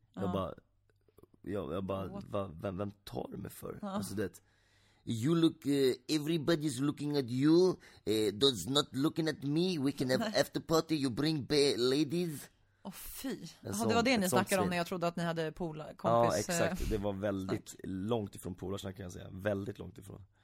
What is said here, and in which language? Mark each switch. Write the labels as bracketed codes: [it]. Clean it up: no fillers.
[sv] Jag bara vem tar du mig för? [en] Alltså det, you look, everybody's looking at you, does not looking at me, we can have after party, you bring ladies. [sv] Åh fy, det var det ni snackade om när jag trodde att ni hade pola, kompis. Ja, exakt, det var väldigt långt ifrån polar, kan jag säga, väldigt långt ifrån.